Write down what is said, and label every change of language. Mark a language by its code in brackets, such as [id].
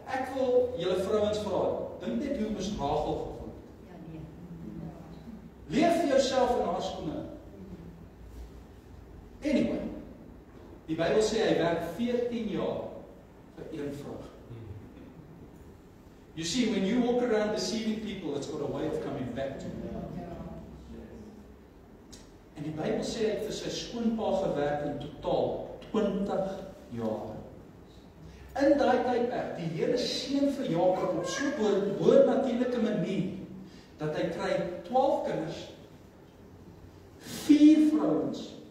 [af] Ek wil julle vrouens vra, dink net hoe mos Rachel gevoel het. Ja, nee. Leef vir jouself in haar skoene. Anyway, die Bybel sê hy werk 14 jaar vir een vrou. [en] You see, when you walk around deceiving people, it's got a way of coming back to you. [af] Ja. En die Bybel sê hy het vir sy skoonpa gewerk in totaal 20 jaar. In daai tydperk, die Here seën vir Jakob op so 'n boonatuurlike manier dat hy kry 12 kinders, 4 vrouens.